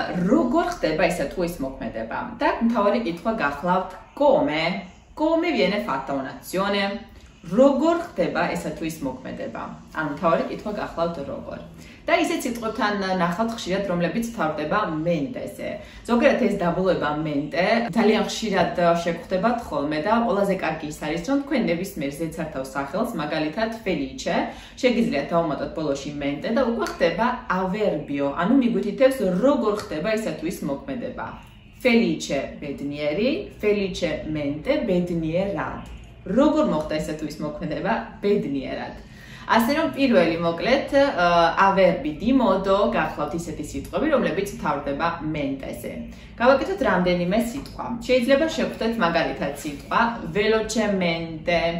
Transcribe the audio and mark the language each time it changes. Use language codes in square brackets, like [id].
[ka] როგორ ხდება ესა თუ ეს მოქმედება? და მთავარი კითხვა გახლავთ come. [it] Come viene fatta un'azione? [ka] როგორ ხდება ესა თუ ეს მოქმედება? ანუ მთავარი კითხვა გახლავთ როგორ. და ისე ციტყვებთან ნახავთ ხშირად რომლებიც თავდება mente-ზე. ზოგადად ეს დაბოლება mente ძალიან ხშირად შეგხვდება თხოლმე და ყველაზე კარგი ის არის რომ თქვენ ნებისმიერ ზეცართავ სახელს, მაგალითად felice, შეგიძლიათ დავუმატოთ ბოლოში mente და უკვე ხდება averbio, ანუ მიგვითითებს როგორ ხდება ესა თუ ეს მოქმედება. felice ბედნიერი, felice mente ბედნიერად. როგორ მოხდა ესა თუ ის მოქმედება ბედნიერად. ასე რომ პირველი მოკლედ averbi di modo გახლავთ ისეთი სიტყვები რომლებიც თავდება mente-ზე. გავაკეთოთ რამდენიმე სიტყვა. შეიძლება შეგხვდეთ მაგალითად სიტყვა velocemente.